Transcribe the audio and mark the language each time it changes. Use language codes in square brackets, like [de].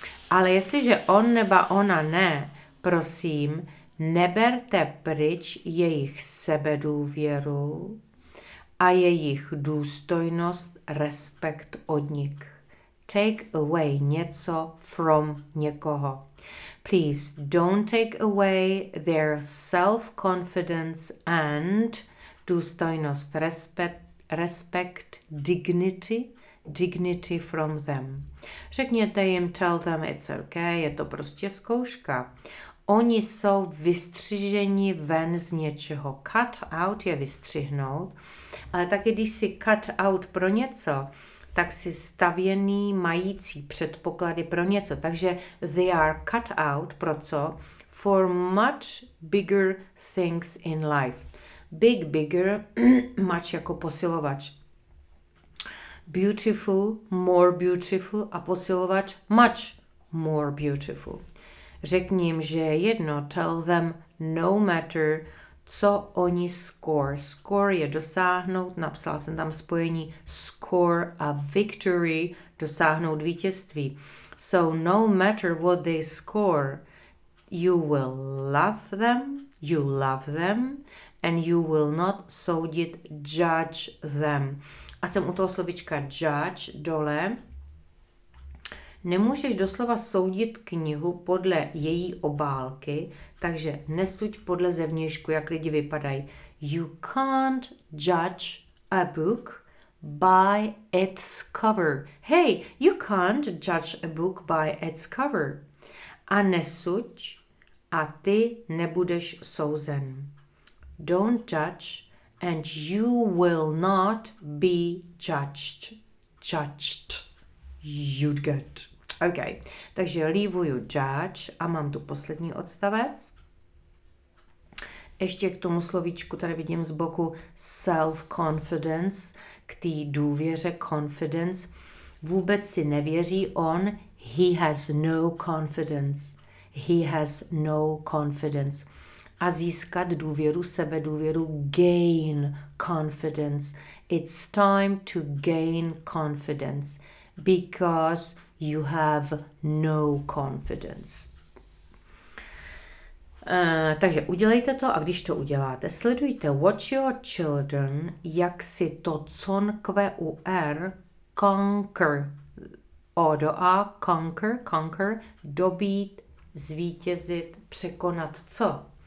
[cs] Ale jestliže on nebo ona ne, prosím, neberte pryč jejich sebedůvěru a jejich důstojnost, respekt od nich. [en] Take away [cs] něco [en] from [cs] někoho. [en] Please don't take away their self-confidence and [cs] důstojnost, [en] respect, dignity. Dignity from them. [cs] Řekněte jim, [en] tell them it's okay, [cs] je to prostě zkouška. Oni jsou vystřiženi ven z něčeho. Cut out je vystřihnout, ale taky když si cut out pro něco, tak si stavěný mající předpoklady pro něco. Takže [en] they are cut out [cs] pro co? [en] For much bigger things in life. Big, bigger, much [cs] jako posilovač. [en] Beautiful, more beautiful [cs] a posilovač [en] much more beautiful. [cs] Řekni jim, že je jedno, [en] tell them no matter, [cs] co oni score. Score je dosáhnout, napsal jsem tam spojení score a victory, dosáhnout vítězství. [en] So no matter what they score, you will love them, you love them, and you will not [cs] soudit, [en] judge them. [cs] A jsem u toho slovička judge, dole. Nemůžeš doslova soudit knihu podle její obálky, takže nesuď podle zevnějšku, jak lidi vypadají. [en] You can't judge a book by its cover. Hey, you can't judge a book by its cover. [cs] A nesuď a ty nebudeš souzen. [en] Don't judge And you will not be judged. Judged. You'd get. OK. [cs] Takže [en] leave you judge. [cs] A mám tu poslední odstavec. Ještě k tomu slovíčku tady vidím z boku self-confidence. K té důvěře confidence. Vůbec si nevěří on. [en] He has no confidence. He has no confidence. [cs] A získat důvěru, sebedůvěru, gain confidence. [en] It's time to gain confidence because you have no confidence. [cs] Takže udělejte to a když to uděláte, sledujte [en] watch your children, [cs] jak si to conkve u R conquer. O do A, conquer, conquer, dobít, zvítězit, překonat co?